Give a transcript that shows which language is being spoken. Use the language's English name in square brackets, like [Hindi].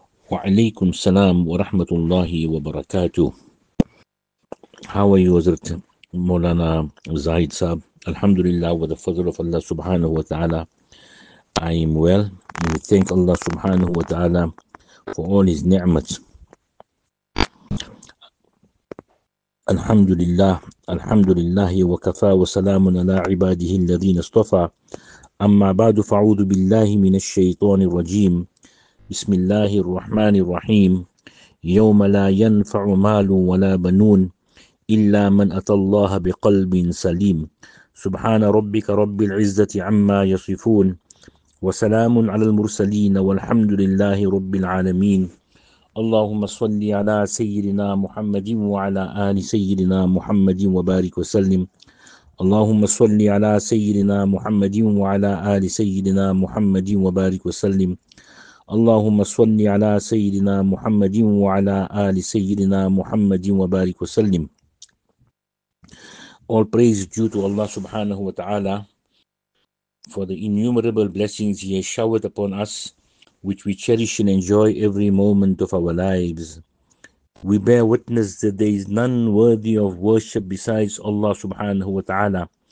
[Arabic] وعليكم السلام ورحمة الله وبركاته. [English] How are you, Hazrat Maulana Zaid Sahab? [Arabic] الحمد لله [English] with the فضل of Allah [Arabic] سبحانه وتعالى. [English] I am well. We thank Allah [Arabic] سبحانه وتعالى [English] for all his ni'mat. [Arabic] الحمد لله الحمد لله وكفى وسلام على عباده الذين اصطفى. أما بعد فأعوذ بالله من الشيطان الرجيم. بسم الله الرحمن الرحيم. يوم لا ينفع مال ولا بنون إلا من أتى الله بقلب سليم. سبحان ربك رب العزة عما يصفون وسلام على المرسلين والحمد لله رب العالمين. اللهم صل على سيدنا محمد وعلى آل سيدنا محمد وبارك وسلم. اللهم صل على سيدنا محمد وعلى آل سيدنا محمد وبارك وسلم. اللهم صل على سيدنا محمد وعلى آل سيدنا محمد وبارك وسلم. [English] All praise due to Allah subhanahu wa ta'ala for the innumerable blessings He has showered upon us, which we cherish and enjoy every moment of our lives. We bear witness that there is none worthy of worship besides Allah subhanahu wa ta'ala.